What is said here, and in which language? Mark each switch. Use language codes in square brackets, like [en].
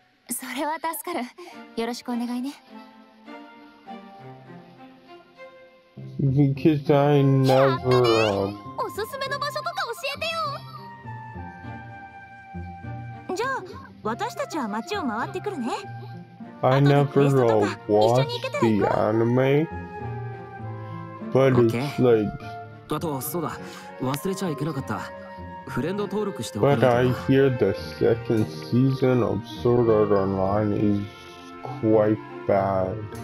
[ja] それは助かる。よろしくお願いね。 [en] Because I never, [ja] おすすめの場所とか教えてよ。私たちは街を回ってくるね。 [en] I never watched the anime, but it's like, [ja] あとそうだ、忘れちゃいけなかった。 [en] But I hear the second season of Sword Art Online is quite bad.